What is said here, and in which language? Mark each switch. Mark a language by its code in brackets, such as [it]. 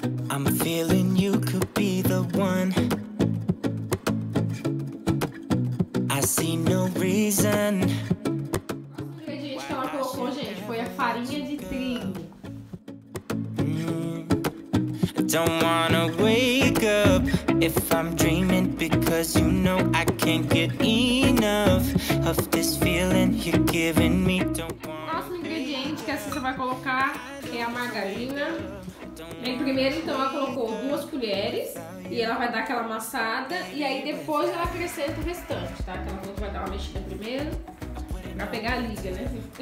[en] I'm feeling you could be the one. I see no reason. [pt] O ingrediente que ela colocou, gente, foi a farinha de trigo. [en] Don't wanna wake up if I'm dreaming, because you know I can't get enough of this feeling you're giving me. [pt] Próximo ingrediente que a Cissa vai colocar é a margarina. Bem, primeiro então ela colocou 2 colheres e ela vai dar aquela amassada e aí depois ela acrescenta o restante, tá? Então ela falou que vai dar uma mexida primeiro pra pegar a liga, né?